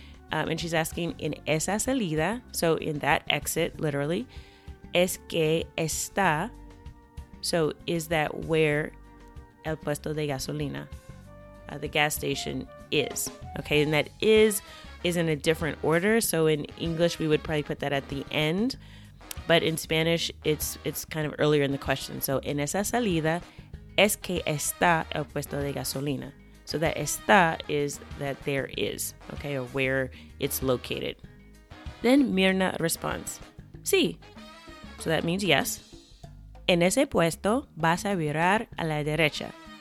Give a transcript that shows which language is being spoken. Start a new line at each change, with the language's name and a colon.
English: And she's asking,
Spanish: en esa salida,
English: so in that exit, literally,
Spanish: es que está,
English: so is that where
Spanish: el puesto de gasolina,
English: the gas station is. Okay, and that is in a different order. So in English, we would probably put that at the end. But in Spanish, it's kind of earlier in the question.
Spanish: So en esa salida, es que está el puesto de gasolina.
English: So that está is that there is, okay, or where it's located. Then Mirna responds, sí. So that means yes.
Spanish: En ese puesto vas a virar a la derecha.